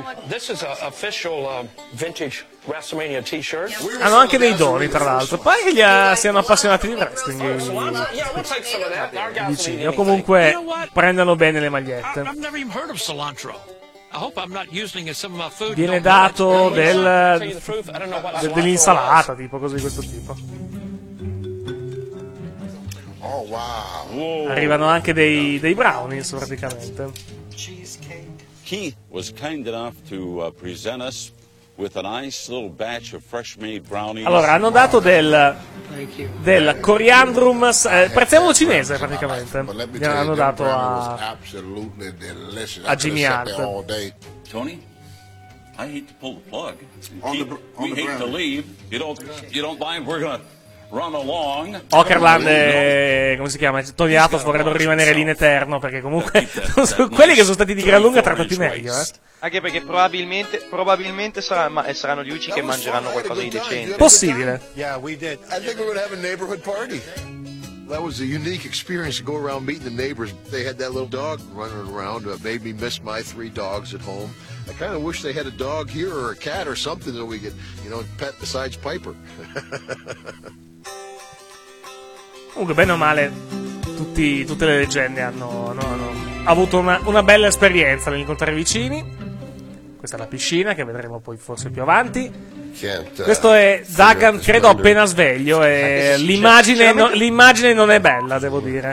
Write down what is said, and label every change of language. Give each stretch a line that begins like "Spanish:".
English: So this is an official vintage WrestleMania T-shirt.
Italian: Hanno anche dei doni, tra l'altro. Poi che siano appassionati di wrestling. Vicini. O comunque prendano bene le magliette.
English: I've never even heard of cilantro. I hope I'm not using some of my food.
Italian: Viene dato dell'insalata, tipo così di questo tipo.
English: Oh, wow.
Italian: Arrivano anche dei brownies praticamente.
English: He was kind enough to present us with a nice little batch of fresh made brownies.
Italian: Allora hanno dato del coriandrum, prezzemolo cinese praticamente. Gli hanno dato a Jimmy Hart.
English: Tony, I hate to pull the plug. We hate to leave. You don't mind. We're gonna run along.
Italian: Okerland, come si chiama? Tony Atos vorrebbe rimanere lì in eterno, perché comunque quelli che sono stati di gran lunga trattati meglio, Anche perché probabilmente saranno gli unici che mangeranno qualcosa di decente. Possibile.
English: Yeah, we did. I think we're gonna have a neighborhood party. That was a unique experience to go around meeting the neighbors. They had that little dog running around. It made me miss my three dogs at home. I kind of wish they had a dog here or a cat or something that we could, you know, pet besides Piper.
Italian: Comunque, bene o male, tutte le leggende hanno avuto una bella esperienza nell'incontrare i vicini. Questa è la piscina, che vedremo poi forse più avanti. Questo è Dagan, credo, appena sveglio. E l'immagine non è bella, devo dire.